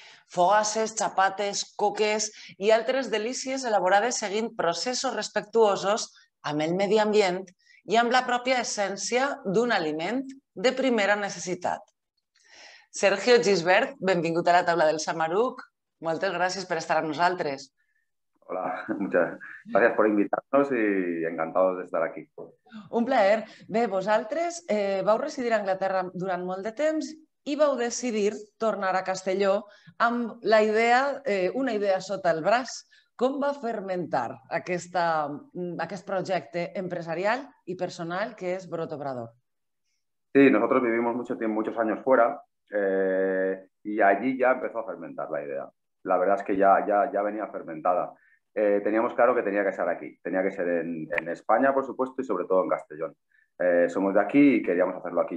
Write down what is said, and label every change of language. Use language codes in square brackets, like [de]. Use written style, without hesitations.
[ca] Fogasses, xapates, coques i altres delícies elaborades seguint processos respectuosos amb el medi ambient i amb la pròpia essència d'un aliment de primera necessitat. Sergio Gisbert, benvingut a la taula del Samaruc. Moltes gràcies per estar amb nosaltres. [es] Hola, muchas gracias por invitarnos y encantados de estar aquí. [ca] Un plaer. Bé, vosaltres vau residir a Anglaterra durant molt de temps i vau decidir tornar a Castelló amb la idea, una idea sota el braç. Com va fermentar aquest projecte empresarial i personal que és Brot Obrador? [es] Sí, nosotros vivimos mucho tiempo, muchos años fuera y allí ya empezó a fermentar la idea. La verdad es que ya venía fermentada. Teníamos claro que tenía que ser aquí. Tenía que ser en España, por supuesto, y sobre todo en Castellón. Somos de aquí y queríamos hacerlo aquí.